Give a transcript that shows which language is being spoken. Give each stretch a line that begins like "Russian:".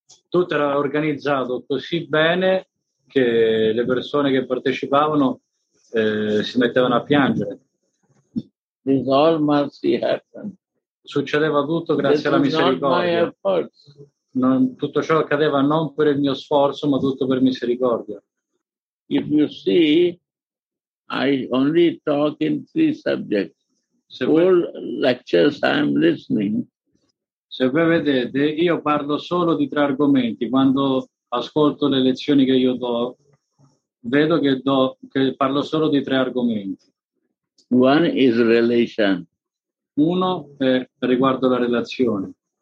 Italian: Tutto era organizzato così bene che le persone che partecipavano si mettevano a piangere.
English: This all mercy happened.
Italian: Succedeva tutto grazie alla misericordia. Non tutto ciò accadeva non per il mio sforzo ma tutto per misericordia.
English: If you see, I only talk in 3 subjects. Se all lectures I am listening.
Italian: Se voi vedete, io parlo solo di 3 argomenti. Quando ascolto le lezioni che io do, vedo che parlo solo di 3 argomenti.
English: One is relation.
Italian: Uno è riguardo la relazione.